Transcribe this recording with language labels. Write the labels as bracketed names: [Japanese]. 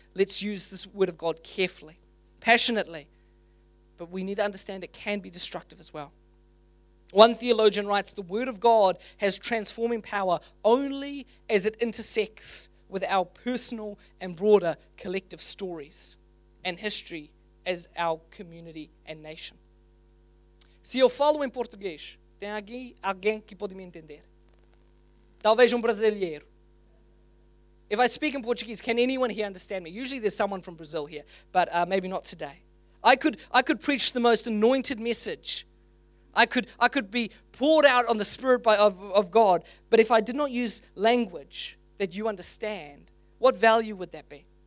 [English] Let's use this Word of God carefully, passionately. But we need to understand it can be destructive as well. One theologian writes, the Word of God has transforming power only as it intersects with our personal and broader collective stories and history as our community and nation. [Portuguese] Se eu falo em português, tem alguém que pode me entender? Talvez brasileiro. [English] If I speak in Portuguese, can anyone here understand me? Usually there's someone from Brazil here, but maybe not today. I could preach the most anointed message. I could be poured out on the Spirit of God. But if I did not use language that you understand, what value would that be?